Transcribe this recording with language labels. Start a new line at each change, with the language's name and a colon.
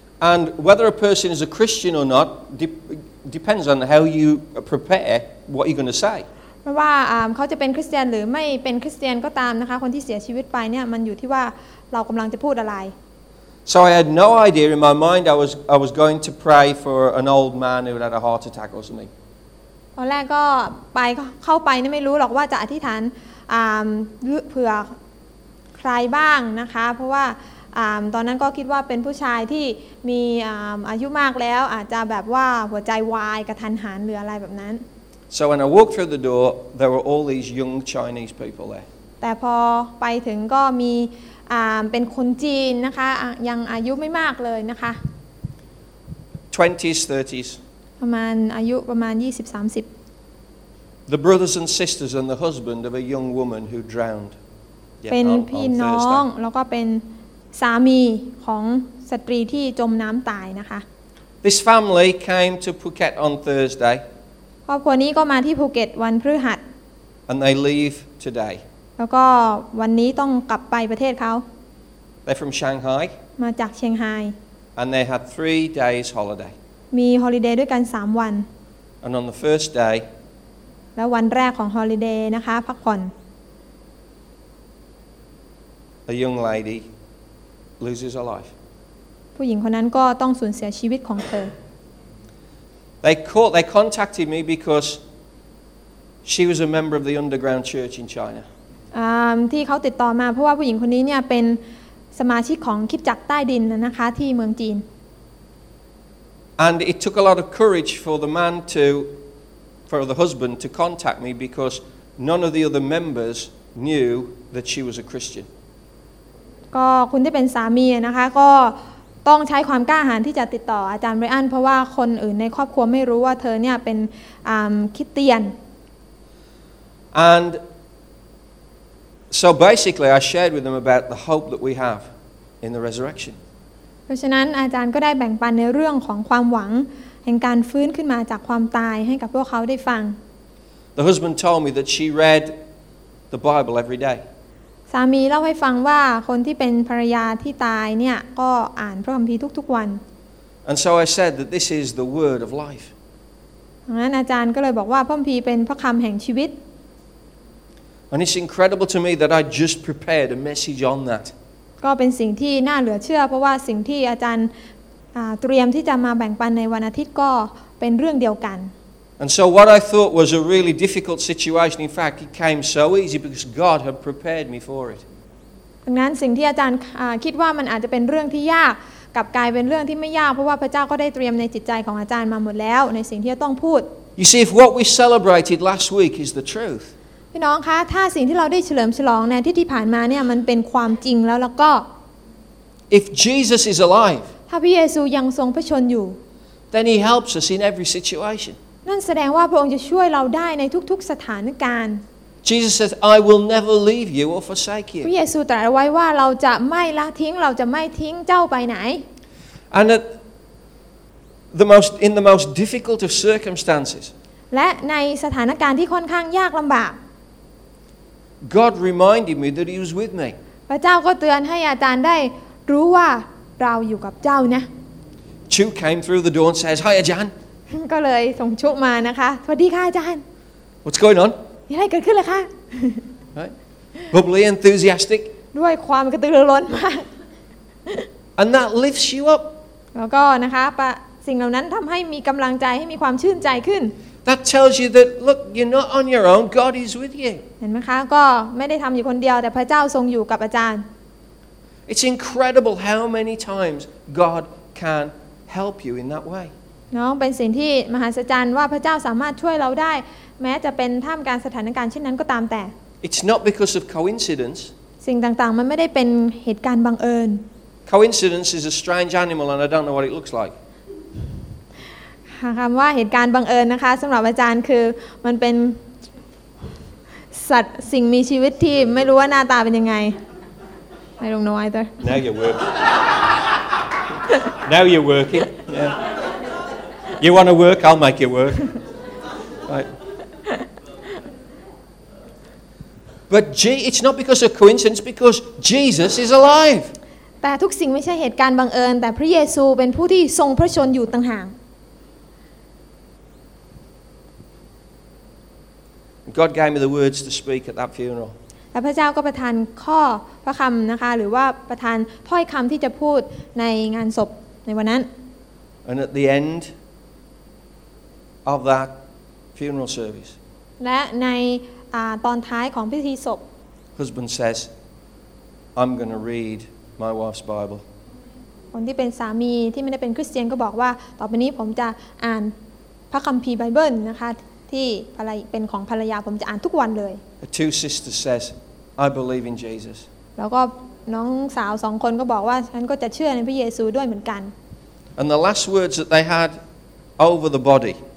English: And whether a person is a Christian or not depends on how you prepare what you're going to say.
Thai: ว่าเขาจะเป็นคริสเตียนหรือไม่เป็นคริสเตียนก็ตามนะคะคนที่เสียชีวิตไปเนี่ยมันอยู่ที่ว่าเรากำลังจะพูดอะไร
English: So I had no idea in my mind I was going to pray for an old man who had a heart attack or something.
Thai: ตอนแรกก็ไปเข้าไปนี่ไม่รู้หรอกว่าจะอธิษฐานเผื่อใครบ้างนะคะเพราะว่าตอนนั้นก็คิดว่าเป็นผู้ชายที่มีอายุมากแล้วอาจจะแบบว่าหัวใจวายกระทันหันหรืออะไรแบบนั้น
English: So when I walked through the door there were all these young Chinese people there.
Thai: แต่พอไปถึงก็มีเป็นคนจีนนะคะยังอายุไม่มากเลยนะคะ
English: 20s 30s
Thai: ประมาณอายุประมาณ20 30
English: The brothers and sisters and the husband of a young woman who drowned
Thai: เป็นพี่น้องแล้วก็เป็นสามีของสตรีที่จมน้ำตายนะคะ
English: This family came to Phuket on Thursday
Thai: ครอบครัวนี้ก็มาที่ภูเก็ตวันพฤหัส
English: And they leave today
Thai: แล้วก็วันนี้ต้องกลับไปประเทศเขา
English: They're from Shanghai
Thai: มาจากเชียงไฮ
English: And they had 3 days holiday
Thai: มีฮอลิเดย์ด้วยกัน3วัน
English: And on the first day
Thai: แล้ววันแรกของฮอลิเดย์นะคะพักผ่อน
English: A young lady loses her life
Thai: ผู้หญิงคนนั้นก็ต้องสูญเสียชีวิตของเธ
English: อ They contacted me because she was a member of the underground church in China
Thai: ที่เขาติดต่อมาเพราะว่าผู้หญิงคนนี้เนี่ยเป็นสมาชิกของคริสตจักรใต้ดินนะคะที่เมืองจีน
English: And it took a lot of courage for the man to for the husband to contact me because none of the other members knew that she was a Christian
Thai: ก็คุณที่เป็นสามีนะคะก็ต้องใช้ความกล้าหาญที่จะติดต่ออาจารย์ไรอันเพราะว่าคนอื่นในครอบครัวไม่รู้ว่าเธอเนี่ยเป็นคริสเตียน
English: AndSo basically, I shared with them about the hope that we have in the resurrection.
Thai: เพราะฉะนั้นอาจารย์ก็ได้แบ่งปันในเรื่องของความหวังแห่งการฟื้นขึ้นมาจากความตายให้กับพวกเขาได้ฟัง
English: The husband told me that she read the Bible every day.
Thai: สามีเล่าให้ฟังว่าคนที่เป็นภรรยาที่ตายเนี่ยก็อ่านพระคัมภีร์ทุกๆวัน
English: And so I said that this is the word of life.
Thai: ดังนั้นอาจารย์ก็เลยบอกว่าพระคัมภีร์เป็นพระคำแห่งชีวิต
English: And it's incredible to me that I just prepared a message on that.
Thai: ก็เป็นสิ่งที่น่าเหลือเชื่อเพราะว่าสิ่งที่อาจารย์เตรียมที่จะมาแบ่งปันในวันอาทิตย์ก็เป็นเรื่องเดียวกัน
English: And so what I thought was a really difficult situation, in fact, it came so easy because God had prepared me for it.
Thai: ดังนั้นสิ่งที่อาจารย์คิดว่ามันอาจจะเป็นเรื่องที่ยากกับกลายเป็นเรื่องที่ไม่ยากเพราะว่าพระเจ้าก็ได้เตรียมในจิตใจของอาจารย์มาหมดแล้วในสิ่งที่จะต้องพูด
English: You see, if what we celebrated last week is the truth.
Thai: พี่น้องคะถ้าสิ่งที่เราได้เฉลิมฉลองในที่ที่ผ่านมาเนี่ยมันเป็นความจริงแล้วก็
English: If Jesus is alive
Thai: ถ้าพระเยซูยังทรงพระชนอยู่
English: Then he helps us in every situation
Thai: นั่นแสดงว่าพระองค์จะช่วยเราได้ในทุกๆสถานการณ์
English: Jesus says I will never leave you or forsake you
Thai: พระเยซูตรัสไว้ว่าเราจะไม่ละทิ้งเราจะไม่ทิ้งเจ้าไปไหน
English: And at the most difficult of circumstances
Thai: และในสถานการณ์ที่ค่อนข้างยากลำบาก
English: God reminded me that he was with me.
Thai: พระเจ้าก็เตือนให้อาจารย์ได้รู้ว่าเราอยู่กับเจ้านะ
English: Chu came through the door and says, "Hi, Ajahn."
Thai: ก็เลยส่งชุมานะคะสวัสดีค่ะอาจารย์
English: What's going on?
Thai: อะไรเกิดขึ้นล่ะคะ
English: Bubbly, enthusiastic.
Thai: ด้วยความกระตือรือร้นมาก
English: And that lifts you up.
Thai: แล้วก็นะคะสิ่งเหล่านั้นทำให้มีกำลังใจให้มีความชื่นใจขึ้น
English: That tells you that look you're not on your own God is with you
Thai: เห็นมั้ยคะก็ไม่ได้ทําอยู่คนเดียวแต่พระเจ้าทรงอยู่กับอาจารย์
English: It's incredible how many times God can help you in that way
Thai: น้องเป็นสิ่งที่มหัศจรรย์ว่าพระเจ้าสามารถช่วยเราได้แม้จะเป็นท่ามกลางสถานการณ์เช่นนั้นก็ตามแต่
English: It's not because of coincidence
Thai: สิ่งต่างๆมันไม่ได้เป็นเหตุการณ์บังเอิญ
English: Coincidence is a strange animal and I don't know what it looks like
Thai: คำว่าเหตุการณ์บังเอิญนะคะสำหรับอาจารย์คือมันเป็นสัตว์สิ่งมีชีวิตที่ไม่รู้ว่าหน้าตาเป็นยังไง
English: I don't know either Now you're working Now you're working yeah. You want to work I'll make you work But it's not because of coincidence because Jesus is alive
Thai: แต่ทุกสิ่งไม่ใช่เหตุการณ์บังเอิญแต่พระเยซูเป็นผู้ที่ทรงพระชนอยู่ต่างหาก
English: God gave me the words to speak at that funeral.
Thai: และพระเจ้าก็ประทานข้อพระคำนะคะหรือว่าประทานถ้อยคำที่จะพูดในงานศพในวันนั้น
English: And at the end of that funeral service
Thai: และในตอนท้ายของพิธีศพ
English: Husband says I'm going to read my wife's Bible
Thai: คนที่เป็นสามีที่ไม่ได้เป็นคริสเตียนก็บอกว่าต่อไปนี้ผมจะอ่านพระคัมภีร์ไบเบิลนะคะที่อะไรเป็นของภรรยาผมจะอ่านทุกวันเลย
English: The two sisters says I believe in Jesus
Thai: แล้วก็น้องสาว2คนก็บอกว่าฉันก็จะเชื่อในพระเยซูด้วยเหมือนกัน
English: And the last words that they had over the body